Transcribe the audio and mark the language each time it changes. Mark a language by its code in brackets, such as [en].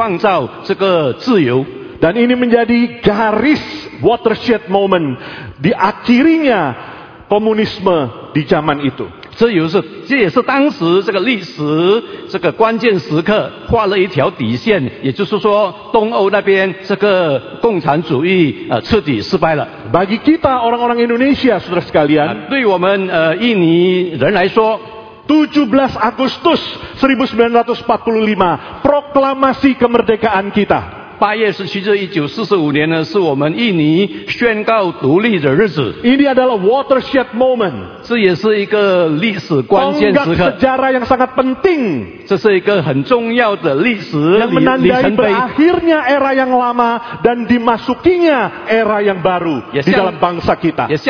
[zh] 由于这个东德和西德合并，那么其他的民族，大家都在学习如何来创造这个自由。 [id] Dan ini menjadi garis watershed moment di akhirnya komunisme di zaman itu. [zh] 这也是当时这个历史这个关键时刻画了一条底线，也就是说东欧那边这个共产主义彻底失败了。 [id] Bagi kita orang-orang Indonesia, saudara sekalian, [zh] 对我们印尼人来说。 [id] 17 Agustus 1945, proklamasi kemerdekaan kita. [zh] 8月17日1945年呢，是我们印尼宣告独立的日子。 [id] Ini adalah watershed moment. [zh] 这也是一个历史关键时刻。 [id] Tonggak sejarah yang sangat penting. [zh] 这是一个很重要的历史里程碑。 [id] Yang menandai berakhirnya era yang lama dan dimasukinya era yang baru di dalam bangsa kita.